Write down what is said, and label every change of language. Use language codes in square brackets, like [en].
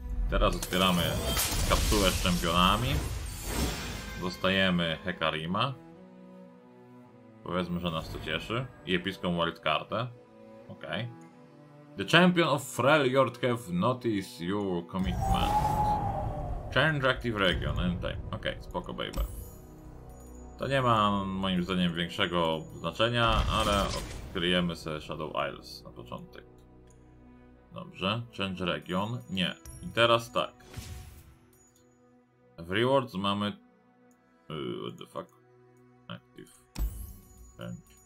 [pl] Teraz otwieramy kapsułę z czempionami. Dostajemy Hecarima. Powiedzmy, że nas to cieszy. I epicką wildcardę. Ok. [en] The champion of Freljord have noticed your commitment. Change active region and time. [pl] Ok, spoko, baby. To nie ma moim zdaniem większego znaczenia, ale odkryjemy sobie Shadow Isles na początek. Dobrze. [en] Change region? [pl] Nie. I teraz tak. W rewards mamy... [en] what the fuck? Active. Change.